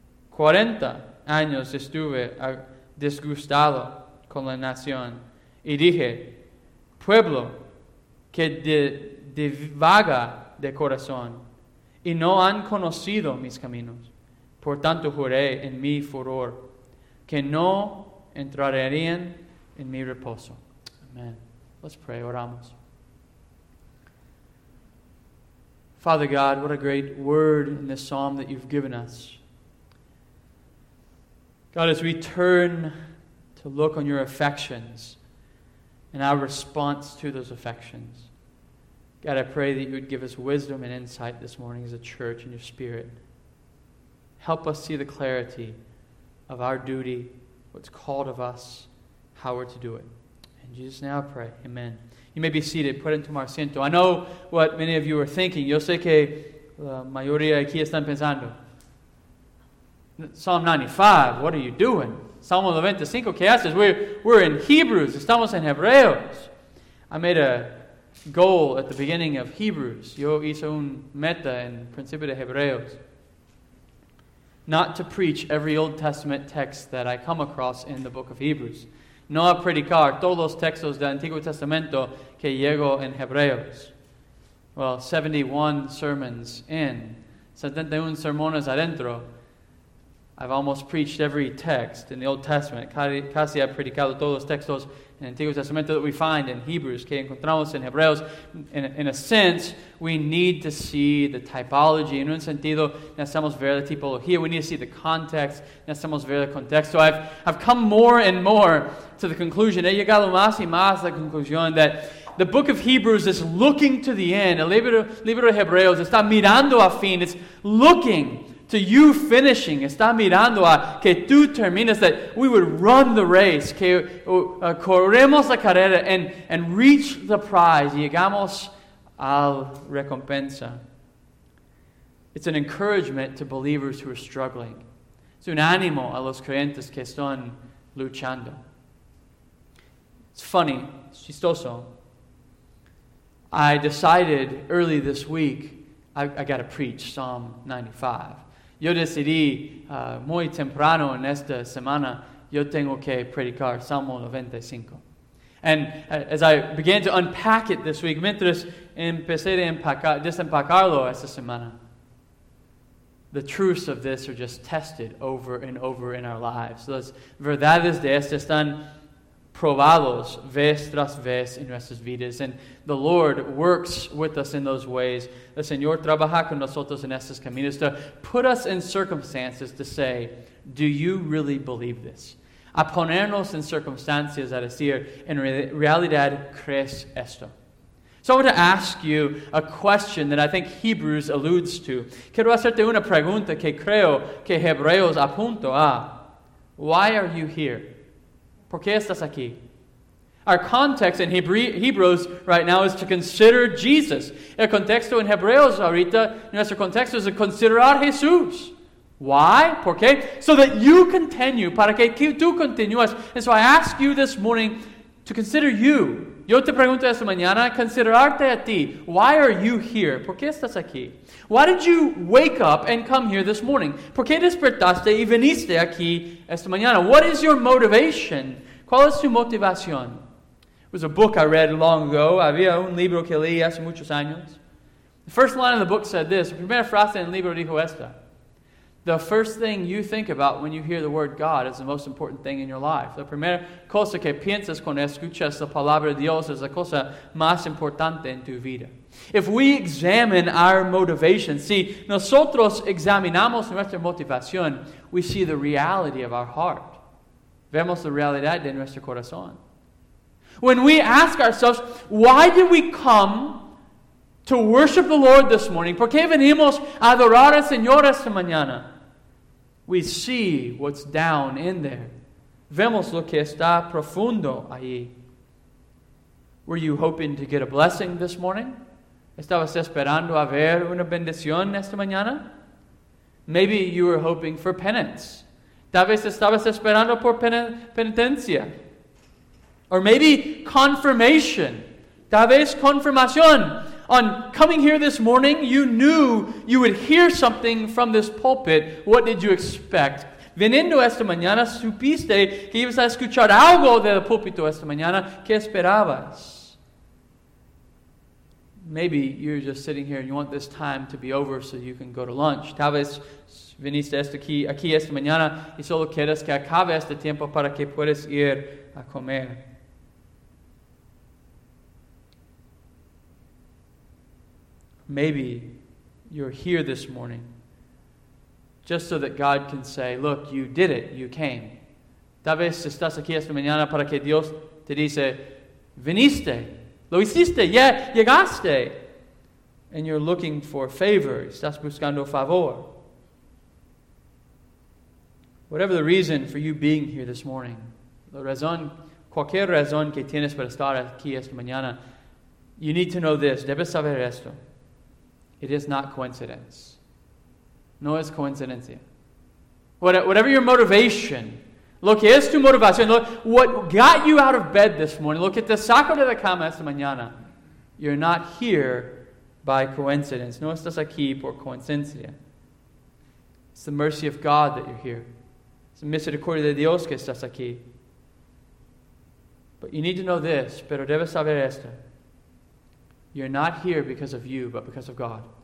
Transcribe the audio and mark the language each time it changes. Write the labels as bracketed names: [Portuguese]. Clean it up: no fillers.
[Spanish] 40 años estuve disgustado con la nación y dije, pueblo que divaga de corazón y no han conocido mis caminos. Por tanto juré en mi furor que no entrarían en mi reposo. [English] Amén. Let's pray, [Spanish] oramos. [English] Father God, what a great word in this psalm that you've given us. God, as we turn to look on your affections and our response to those affections, God, I pray that you would give us wisdom and insight this morning as a church in your spirit. Help us see the clarity of our duty, what's called of us, how we're to do it. In Jesus, now I pray. Amen. You may be seated. [Spanish] Pueden tomar asiento. [English] I know what many of you are thinking. [Spanish] Yo sé que la mayoría aquí están pensando. [English] Psalm 95, what are you doing? Psalm 95, [Spanish] ¿qué haces? [English] We're in Hebrews. [Spanish] Estamos en Hebreos. [English] I made a goal at the beginning of Hebrews. [Spanish] Yo hice un meta en principio de Hebreos. [English] Not to preach every Old Testament text that I come across in the book of Hebrews. [Spanish] No a predicar todos los textos del Antiguo Testamento que llego en Hebreos. [English] Well, 71 sermons in. [Spanish] 71 sermones adentro. [English] I've almost preached every text in the Old Testament. [Spanish] Casi he predicado todos los textos en el Antiguo Testamento [English] that we find in Hebrews, [Spanish] que encontramos en Hebreos. [English] In a sense, we need to see the typology. [Spanish] En un sentido, necesitamos ver la tipología. [English] We need to see the context. [Spanish] Necesitamos ver el contexto. [English] I've come more and more to the conclusion. [Spanish] He llegado más y más a la conclusión [English] that the book of Hebrews is looking to the end. [Spanish] El libro de Hebreos está mirando a fin. [English] It's looking to you finishing, [Spanish] está mirando a que tú termines, [English] that we would run the race, [Spanish] que corremos la carrera [English] and reach the prize, [Spanish] llegamos al recompensa. [English] It's an encouragement to believers who are struggling. [Spanish] Es un ánimo a los creyentes que están luchando. [English] It's funny, it's chistoso. I decided early this week, I got to preach Psalm 95. [Spanish] Yo decidí muy temprano en esta semana, yo tengo que predicar Salmo 95. [English] And as I began to unpack it this week, [Spanish] mientras empecé a desempacarlo esta semana, [English] the truths of this are just tested over and over in our lives. [Spanish] Las verdades de esta están probados vez tras vez en nuestras vidas. [English] And the Lord works with us in those ways. [Spanish] El Señor trabaja con nosotros en estos caminos [English] to put us in circumstances to say, do you really believe this? [Spanish] A ponernos en circunstancias a decir, en realidad, ¿crees esto? [English] So I want to ask you a question that I think Hebrews alludes to. [Spanish] Quiero hacerte una pregunta que creo que Hebreos apunta a. [English] Why are you here? [Spanish] ¿Por qué estás aquí? [English] Our context in Hebrews right now is to consider Jesus. [Spanish] El contexto en Hebreos ahorita, nuestro contexto es considerar Jesús. [English] Why? [Spanish] ¿Por qué? [English] So that you continue, [Spanish] para que tú continúes. [English] And so I ask you this morning to consider you. [Spanish] Yo te pregunto esta mañana, considerarte a ti. [English] Why are you here? [Spanish] ¿Por qué estás aquí? [English] Why did you wake up and come here this morning? [Spanish] ¿Por qué despertaste y viniste aquí esta mañana? [English] What is your motivation? [Spanish] ¿Cuál es tu motivación? [English] It was a book I read long ago. [Spanish] Había un libro que leí hace muchos años. [English] The first line of the book said this. [Spanish] La primera frase en el libro dijo esta. [English] The first thing you think about when you hear the word God is the most important thing in your life. [Spanish] La primera cosa que piensas cuando escuchas la palabra de Dios es la cosa más importante en tu vida. [English] If we examine our motivation, [Spanish] si nosotros examinamos nuestra motivación, [English] we see the reality of our heart. [Spanish] Vemos la realidad de nuestro corazón. [English] When we ask ourselves, why did we come to worship the Lord this morning? [Spanish] ¿Por qué venimos a adorar al Señor esta mañana? [English] We see what's down in there. [Spanish] Vemos lo que está profundo ahí. [English] Were you hoping to get a blessing this morning? [Spanish] ¿Estabas esperando a ver una bendición esta mañana? [English] Maybe you were hoping for penance. [Spanish] Tal vez estabas esperando por penitencia. [English] Or maybe confirmation. [Spanish] Tal vez confirmación. [English] On coming here this morning, you knew you would hear something from this pulpit. What did you expect? [Spanish] Viniendo esta mañana, supiste que ibas a escuchar algo del púlpito esta mañana. ¿Qué esperabas? [English] Maybe you're just sitting here and you want this time to be over so you can go to lunch. [Spanish] Tal vez viniste aquí esta mañana y solo quieres que acabe este tiempo para que puedas ir a comer. [English] Maybe you're here this morning just so that God can say, look, you did it, you came. [Spanish] Tal vez estás aquí esta mañana para que Dios te dice, viniste, lo hiciste, yeah, llegaste. [English] And you're looking for favor, [Spanish] estás buscando favor. [English] Whatever the reason for you being here this morning, [Spanish] la razón, cualquier razón que tienes para estar aquí esta mañana, [English] you need to know this, [Spanish] debes saber esto. [English] It is not coincidence. [Spanish] No es coincidencia. [English] Whatever your motivation, [Spanish] lo que es tu motivación, [English] what got you out of bed this morning, [Spanish] lo que te sacó de la cama esta mañana, [English] you're not here by coincidence. [Spanish] No estás aquí por coincidencia. [English] It's the mercy of God that you're here. It's the [Spanish] misericordia de Dios que estás aquí. [English] But you need to know this, [Spanish] pero debes saber esto. [English] You're not here because of you, but because of God.